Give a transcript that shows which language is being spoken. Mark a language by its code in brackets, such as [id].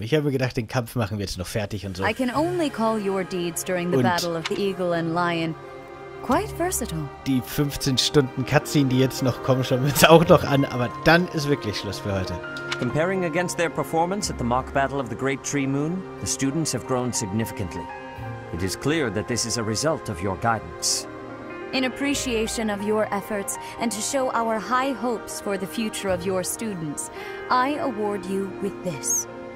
[de] Ich habe gedacht, den Kampf machen wir jetzt noch fertig und so. [en] I can only call your deeds during the Battle of the Eagle and Lion. Quite versatile. [de] Die 15 Stunden Cutscene, die jetzt noch kommen, schauen wir uns auch noch an. Aber dann ist wirklich Schluss für heute. [en] Comparing against their performance at the mock battle of the Great Tree Moon, the students have grown significantly. It is clear that this is a result of your guidance. In appreciation of your efforts and to show our high hopes for the future of your students, I award you with this.